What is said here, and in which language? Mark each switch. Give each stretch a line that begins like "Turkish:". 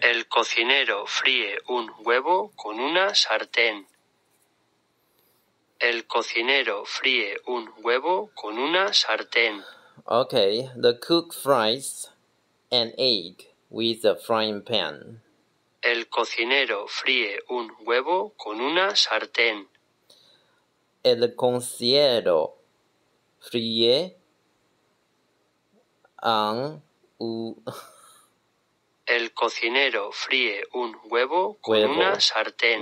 Spanish: El cocinero fríe un huevo con una sartén. El cocinero fríe un huevo con una sartén.
English: Okay. The cook fries an egg with a frying pan.
Spanish: El cocinero fríe un huevo con una sartén. El cocinero fríe un El cocinero fríe un huevo con una sartén.